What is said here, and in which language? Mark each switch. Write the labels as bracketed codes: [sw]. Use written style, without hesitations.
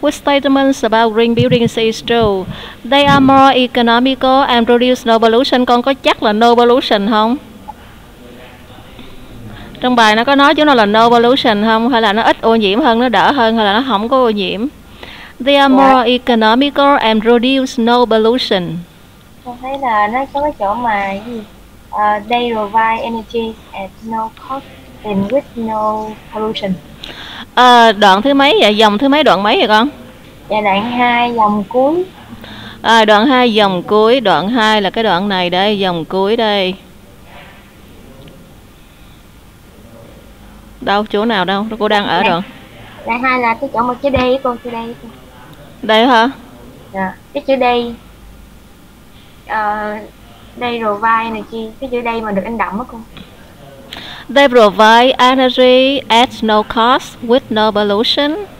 [en] Which statements about green buildings is true? They are more economical and produce no pollution. [vi] Con có chắc là no pollution không? trong bài nó có nói chúng nó là no pollution không, hay là nó ít ô nhiễm hơn, nó đỡ hơn, hay là nó không có ô nhiễm? [en] They are more economical and reduce no pollution. [vi] Tôi thấy là nó có cái chỗ mà gì? [en] They provide energy at no cost and with no pollution. [vi] Đoạn thứ mấy vậy? Dòng thứ mấy, đoạn mấy vậy con? Dạ, đoạn 2, dòng cuối. Đoạn 2, dòng cuối. Đoạn 2 là cái đoạn này đây, dòng cuối đây. Đâu, chỗ nào đâu? Cô đang ở đoạn. Đoạn 2 là cái chỗ mà chữ đây con, chữ đây. Đây hả? Dạ, cái chữ đây. Đây provide này chi? Cái chữ đây mà được in đậm á con. [en] They provide energy at no cost with no pollution.